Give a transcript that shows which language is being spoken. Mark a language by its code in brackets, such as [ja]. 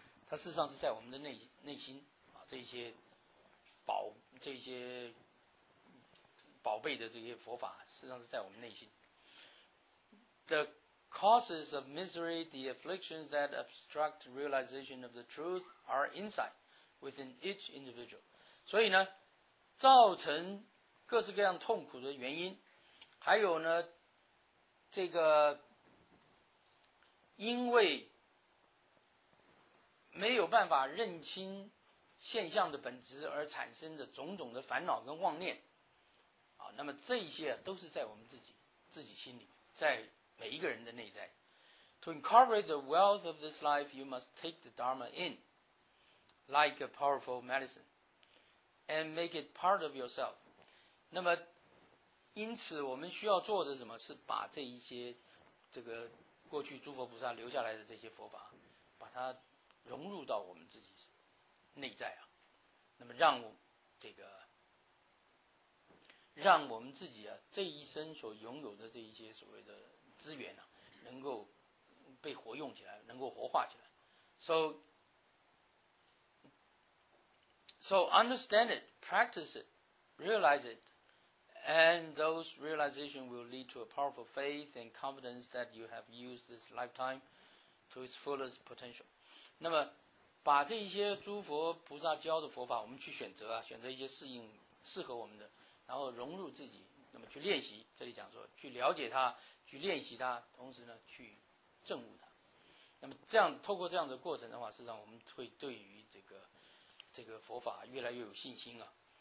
[zh] 它事实上是在我们的内心啊，这些宝贝的这些佛法，事实上是在我们内心。The [en] causes of misery, the afflictions that obstruct realization of the truth are inside, within each individual. [zh] 所以呢，造成各式各样痛苦的原因，还有呢，这个因为没有办法认清现象的本质而产生的种种的烦恼跟妄念，啊，那么这些都是在我们自己心里，在每一个人的内在。 [en] To incorporate the wealth of this life, you must take the Dharma in, like a powerful medicine, and make it part of yourself. [zh] 那么，因此我们需要做的什么？是把这一些这个过去诸佛菩萨留下来的这些佛法，把它融入到我们自己内在啊。那么让我这个。让我们自己啊，这一生所拥有的这一些所谓的资源啊，能够被活用起来，能够活化起来。 [en] So understand it, practice it, realize it, and those realizations will lead to a powerful faith and confidence that you have used this lifetime to its fullest potential. [zh] 那么，把这一些诸佛菩萨教的佛法，我们去选择啊，选择一些适合我们的。然后融入自己，那么去练习，这里讲说去了解它，去练习它，同时呢去证悟它。那么这样透过这样的过程的话，实际上我们会对于这个佛法越来越有信心啊。